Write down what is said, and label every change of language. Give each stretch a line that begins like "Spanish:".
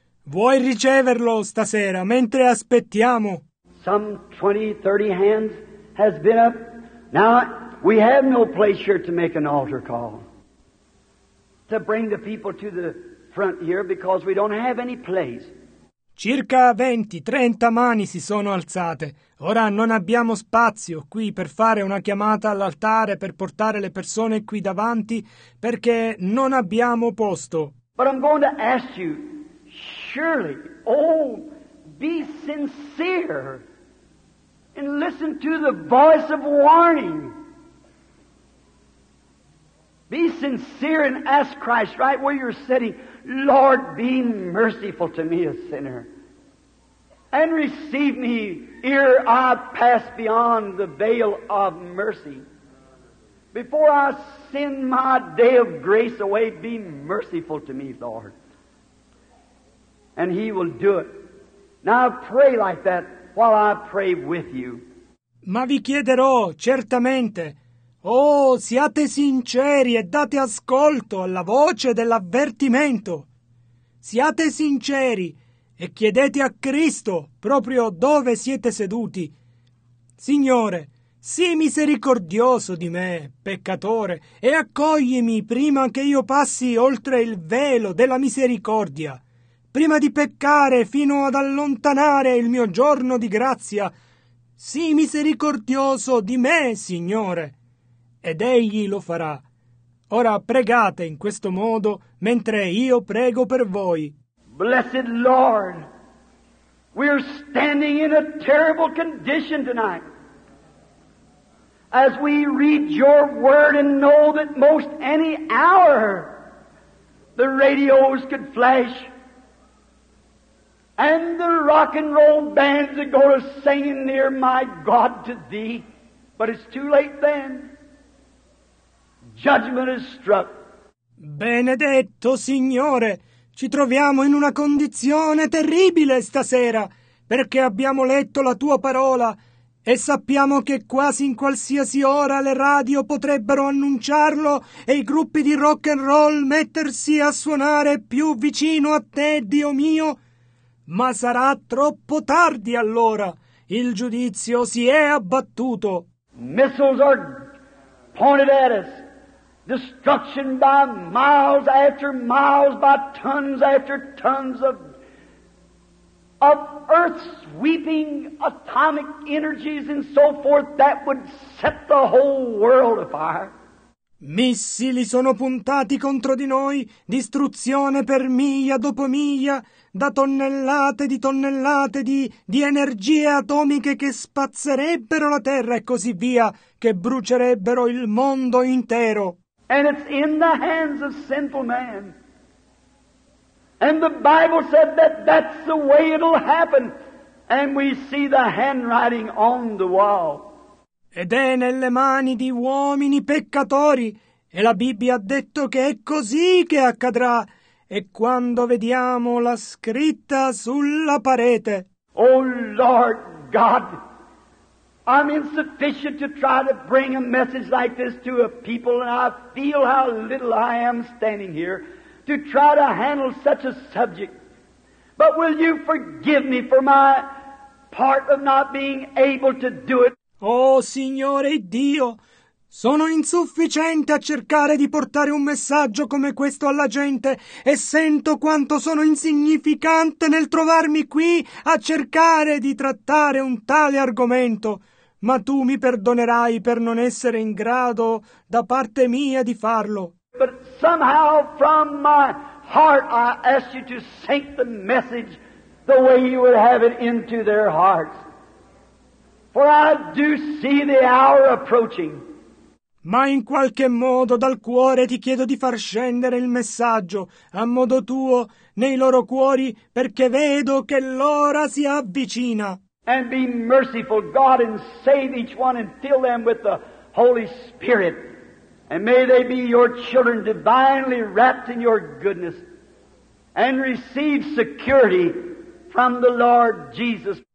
Italian: Vuoi riceverlo stasera, mentre aspettiamo?
English: Some 20-30 hands has been up. Now, we have no place here to make an altar call, to bring the people to the front here, because we don't have any place.
Italian: Circa 20-30 mani si sono alzate. Ora non abbiamo spazio qui per fare una chiamata all'altare, per portare le persone qui davanti, perché non abbiamo posto.
English: But I'm going to ask you, surely, oh, be sincere and listen to the voice of warning. Be sincere and ask Christ right where you're sitting, Lord, be merciful to me, a sinner, and receive me ere I pass beyond the veil of mercy. Before I send my day of grace away, be merciful to me, Lord, and he will do it. Now pray like that while I pray with you.
Italian: Ma vi chiederò certamente. Oh, siate sinceri e date ascolto alla voce dell'avvertimento. Siate sinceri e chiedete a Cristo, proprio dove siete seduti: Signore, sii misericordioso di me, peccatore, e accoglimi prima che io passi oltre il velo della misericordia, prima di peccare fino ad allontanare il mio giorno di grazia. Sii misericordioso di me, Signore. Ed egli lo farà. Ora pregate in questo modo mentre io prego per voi.
English: Blessed Lord, we're standing in a terrible condition tonight. As we read your word and know that most any hour the radios could flash and the rock and roll bands would go to singing near my God to thee. But it's too late then. Judgment is struck.
Italian: Benedetto Signore, ci troviamo in una condizione terribile stasera, perché abbiamo letto la tua parola e sappiamo che quasi in qualsiasi ora le radio potrebbero annunciarlo e i gruppi di rock and roll mettersi a suonare più vicino a te, Dio mio. Ma sarà troppo tardi allora. Il giudizio si è abbattuto.
English: Missiles are pointed at us. Destruction by miles after miles, by tons after tons of earth sweeping atomic energies and so forth, that would set the whole world afire.
Italian: Missili sono puntati contro di noi, distruzione per miglia dopo miglia, da tonnellate di energie atomiche che spazzerebbero la terra e così via, che brucierebbero il mondo intero.
English: And it's in the hands of sinful man. And the Bible said that that's the way it'll happen. And we see the handwriting on the wall.
Italian: Ed è nelle mani di uomini peccatori. E la Bibbia ha detto che è così che accadrà. E quando vediamo la scritta sulla parete.
English: Oh Lord God, I'm insufficient to try to bring a message like this to a people, and I feel how little I am standing here to try to handle such a subject. But will you forgive me for my part of not being able to do it?
Italian: Oh, Signore Dio, sono insufficiente a cercare di portare un messaggio come questo alla gente e sento quanto sono insignificante nel trovarmi qui a cercare di trattare un tale argomento. Ma tu mi perdonerai per non essere in grado da parte mia di farlo.
English: But somehow from my heart I ask you to sink the message the way you would have it into their hearts. For I do see the hour approaching.
Italian: Ma in qualche modo dal cuore ti chiedo di far scendere il messaggio a modo tuo nei loro cuori perché vedo che l'ora si avvicina.
English: And be merciful, God, and save each one and fill them with the Holy Spirit. And may they be your children divinely wrapped in your goodness and receive security from the Lord Jesus.